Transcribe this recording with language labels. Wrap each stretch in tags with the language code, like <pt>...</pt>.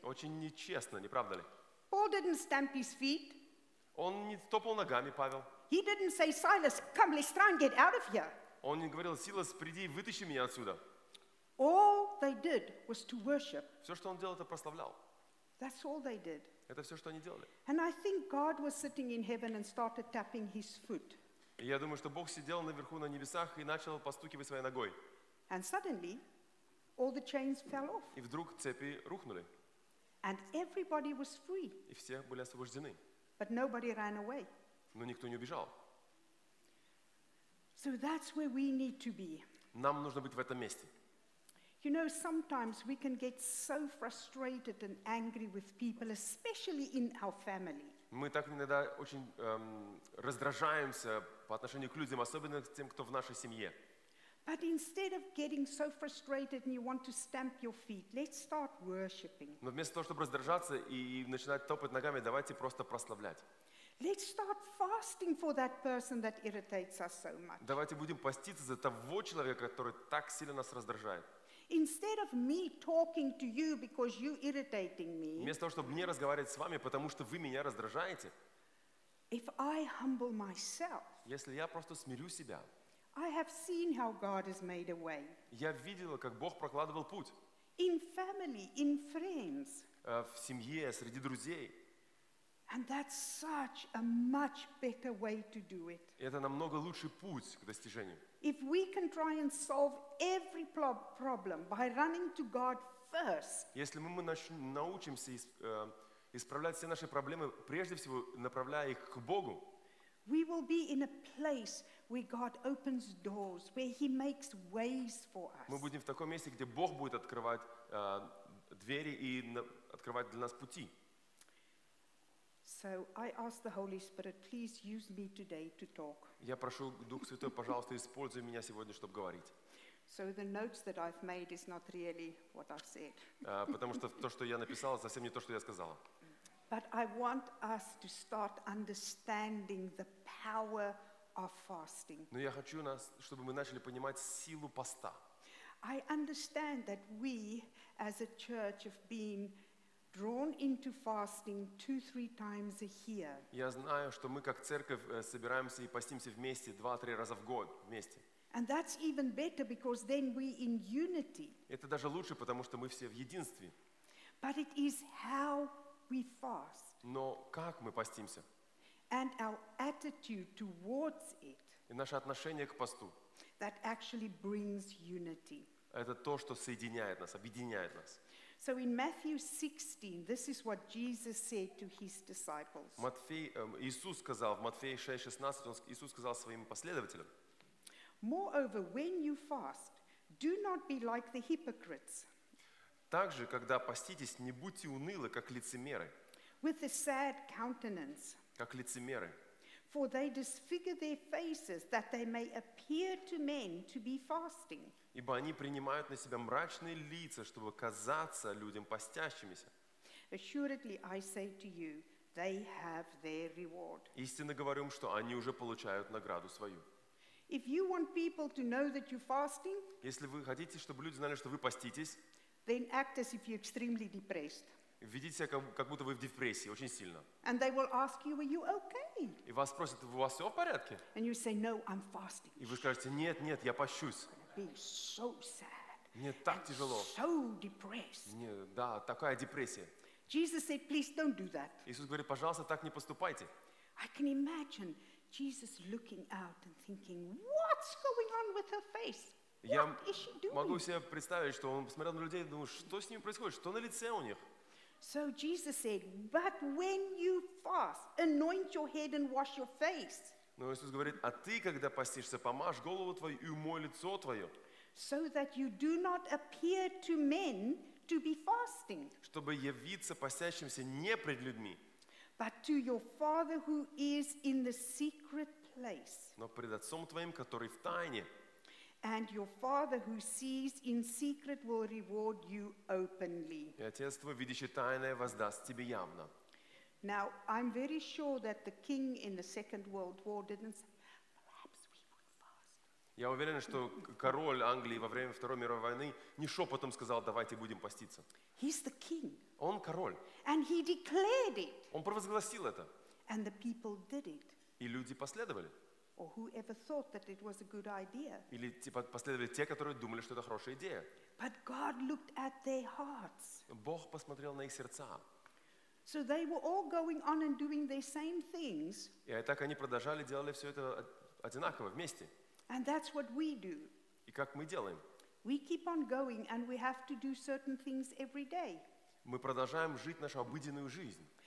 <ru>Очень нечестно, не правда ли?</ru> <en>Paul didn't stamp his feet.</en> <ru>Он не топал ногами, Павел.</ru> <en>He didn't say, "Silas, come, let's try and get out of here."</en> <ru>Он не говорил: "Силас, приди, вытащи меня отсюда."</ru> <en>All they did was to worship.</en> <ru>Все, что он делал, это прославлял.</ru> <en>That's all they did.</en> <ru>Это все, что они делали.</ru> <en>And I think God was sitting in heaven and started tapping his foot.</en> <ru>И я думаю, что Бог сидел наверху на небесах и начал постукивать своей ногой.</ru> <en>And suddenly, all the chains fell off.</en> <ru>И вдруг цепи рухнули.</ru> <en>And everybody was free.</en> <ru>И все были освобождены.</ru> <en>But nobody ran away.</en> <ru>Но никто не убежал.</ru> <en>So that's where we need to be.</en> <ru>Нам нужно быть в этом месте.</ru> <en>You know, sometimes we can get so frustrated and angry with people, especially in our family.</en> <ru>Мы так иногда очень раздражаемся по отношению к людям, особенно к тем, кто в нашей семье.</ru> <en>But instead of getting so frustrated and you want to stamp your feet, let's start worshiping.</en> <ru>Но вместо того, чтобы раздражаться и начинать топать ногами, давайте просто прославлять.</ru> <en>Let's start fasting for that person that irritates us so much.</en> <ru>Давайте будем поститься за того человека, который так сильно нас раздражает.</ru> <en>Instead of me talking to you because you're irritating me.</en> <ru>Вместо того, чтобы мне разговаривать с вами, потому что вы меня раздражаете.</ru> <en>If I humble myself.</en> <ru>Если я просто смирю себя.</ru> <en>I have seen how God has made a way.</en> <ru>Я видел, как Бог прокладывал путь.</ru> <en>In family, in friends.</en> <ru>В семье, среди друзей.</ru> <en>And that's such a much better way to do it.</en> <ru>Это намного лучший путь к достижению.</ru> <en>If we can try and solve every problem by running to God first.</en> <ru>Если мы научимся исправлять все наши проблемы, прежде всего направляя их к Богу.</ru> <en>We will be in a place where God opens doors, where He makes ways for us.</en> <ru>Мы будем в таком месте, где Бог будет открывать двери и открывать для нас пути.</ru> <en>So I ask the Holy Spirit, please use me today to talk.</en> <ru>Я прошу Дух Святой, пожалуйста, используй меня сегодня, чтобы говорить.</ru> <en>So the notes that I've made is not really what I've said.</en> <ru>Потому что то, что я написал, совсем не то, что я сказала.</ru> <en>But I want us to start understanding the power of fasting.</en> <ru>Но я хочу нас, чтобы мы начали понимать силу поста.</ru> <en>I understand that we, as a church, have been drawn into fasting 2-3 times a year.</en> <ru>Я знаю, что мы как церковь собираемся и постимся вместе 2-3 раза в год вместе.</ru> <en>And that's even better because then we in unity.</en> <ru>Это даже лучше, потому что мы все в единстве.</ru> <en>But it is how we fast.</en> <ru>Но как мы постимся?</ru> <en>And our attitude towards it.</en> <ru>И наше отношение к посту.</ru> <en>That actually brings unity.</en> <ru>Это то, что соединяет нас, объединяет нас.</ru> <en>So in Matthew 16, this is what Jesus said to his disciples.</en> <ru>Иисус сказал в Матфея 6:16, Иисус сказал своим последователям.</ru> <en>Moreover, when you fast, do not be like the hypocrites.</en> <ru>Также, когда поститесь, не будьте унылы, как лицемеры.</ru> <en>With a sad countenance.</en> <ru>Как лицемеры.</ru> <en>For they disfigure their faces, that they may appear to men to be fasting.</en> <ru>Ибо они принимают на себя мрачные лица, чтобы казаться людям постящимися.</ru> <en>Assuredly, I say to you, they have their reward.</en> <ru>Истинно говорю им, что они уже получают награду свою.</ru> <en>If you want people to know that you're fasting,</en> <ru>если вы хотите, чтобы люди знали, что вы поститесь,</ru> <en>then act as if you're extremely depressed.</en> <ru>Ведите себя, как будто вы в депрессии, очень сильно.</ru> <en>And they will ask you, are you okay?</en> <ru>И вас спросят, у вас все в порядке?</ru> <en>And you say, no, I'm fasting.</en> <ru>И вы скажете, нет, нет, я пощусь.</ru> <en>So sad.</en> <ru>Мне так тяжело.</ru> <en>So depressed.</en> <ru>Мне, да, такая депрессия.</ru> <en>Jesus said, please don't do that.</en> <ru>Иисус говорит, пожалуйста, так не поступайте.</ru> <en>I can imagine Jesus looking out and thinking, what's going on with her face? What is she doing?</en> <ru>Я могу себе представить, что он посмотрел на людей и думал, что с ними происходит, что на лице у них?</ru> <en>So Jesus said, but when you fast, anoint your head and wash your face.</en> <ru>Но Иисус говорит, а ты, когда постишься, помажь голову твою и умой лицо твое.</ru> <en>So that you do not appear to men to be fasting.</en> <ru>Чтобы явиться постящимся не пред людьми.</ru> <en>But to your Father who is in the secret place.</en> <ru>Но пред Отцом твоим, который в тайне.</ru> <en>And your Father who sees in secret will reward you openly.</en> <ru>И Отец твой, видящий тайное, воздаст тебе явно.</ru> <en>Now I'm very sure that the king in the Second World War didn't say, "Perhaps we would fast."</en> <ru>Я уверен, что король Англии во время Второй мировой войны не шепотом сказал, давайте будем поститься.</ru> <en>He's the king.</en> <ru>Он король.</ru> <en>And he declared it.</en> <ru>Он провозгласил это.</ru> <en>And the people did it.</en> <ru>И люди последовали.</ru> <en>Or whoever thought that it was a good idea.</en> <ru>Или типа последовали те, которые думали, что это хорошая идея.</ru> <en>But God looked at their hearts.</en> <ru>Бог посмотрел на их сердца.</ru> <en>So they were all going on and doing their same things.</en> <ru>И так они продолжали делали все это одинаково вместе.</ru> <en>And that's what we do.</en> <ru>И как мы делаем?</ru> <en>We keep on going, and we have to do certain things every day.</en> <ru>Мы продолжаем жить нашу обыденную жизнь.</ru>